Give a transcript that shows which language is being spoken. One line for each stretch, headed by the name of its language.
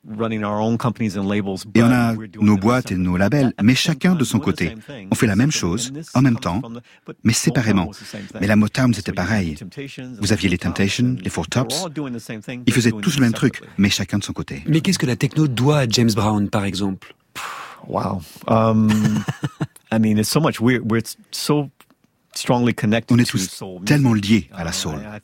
French: Et on a nos boîtes et nos labels, mais chacun de son côté. On fait la même chose, en même temps, mais séparément. Mais la Motown, c'était pareil. Vous aviez les Temptations, les Four Tops. Ils faisaient tous le même truc, mais chacun de son côté. Mais qu'est-ce que la techno doit à James Brown, par exemple?
English: Wow. it's so much. We're so strongly connected.
French: On est tous tellement liés à la soul.